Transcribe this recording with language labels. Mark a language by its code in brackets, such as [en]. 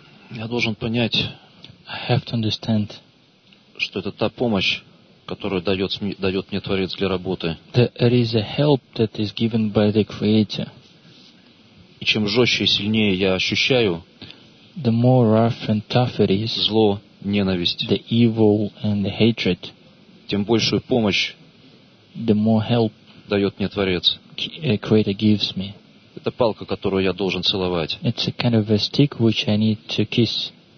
[ru] Я должен понять. [en] I have to understand. [ru] Что это та помощь, которую дает мне Творец для работы. [en] There is a help that is given by the Creator. [ru] И чем жестче и сильнее я ощущаю, [en] the more rough and tough it is, [ru] зло, ненависть, [en] the evil and the hatred, [ru] тем большую помощь, [en] the more help, [ru] дает мне Творец. [en] Creator gives me. [ru] Это палка, которую я должен целовать. [en] It's a kind of a stick which I need to kiss.